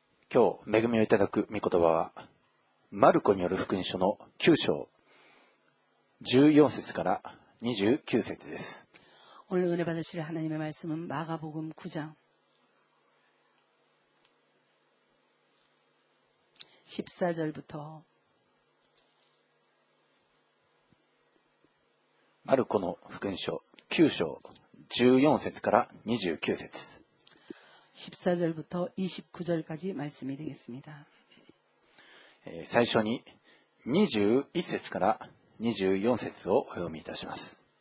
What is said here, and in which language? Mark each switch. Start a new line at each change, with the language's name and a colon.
Japanese: 今日恵みをいただく御言葉はマルコによる福音書の9章14節から29節です。
Korean: 오늘은혜받으실하나님의말씀은마가복음9장14절부터
Japanese: マルコの福音書9章14節から29節
Korean: 14절부터29절까지말씀이되겠습니다
Japanese: 最初に21節から24節をお読みいたします。